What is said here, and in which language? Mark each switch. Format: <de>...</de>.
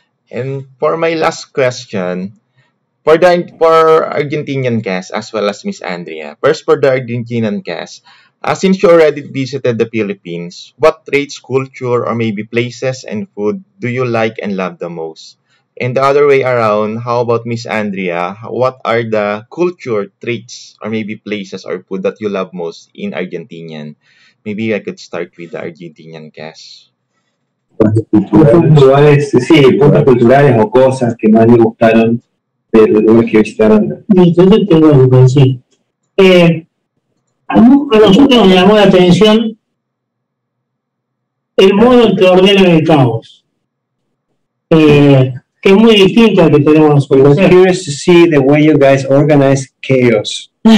<en>And for my last question, for Argentinian guests as well as Miss Andrea, first for the Argentinian guests, since you already visited the Philippines, what traits, culture, or maybe places and food do you like and love the most? And the other way around, how about Miss Andrea? What are the culture traits or maybe places or food that you love most in Argentinian? Maybe I could start with the Argentinian guests.</en> <es>culturales, sí, puntos culturales o cosas que más le gustaron de los lugares que visitaron. Yo te tengo que decir. A nosotros nos llamó la atención el modo en que ordenan el caos. Que es muy distinto al que tenemos nosotros.</es> <en>I'm curious to see the way you guys organize chaos.</en>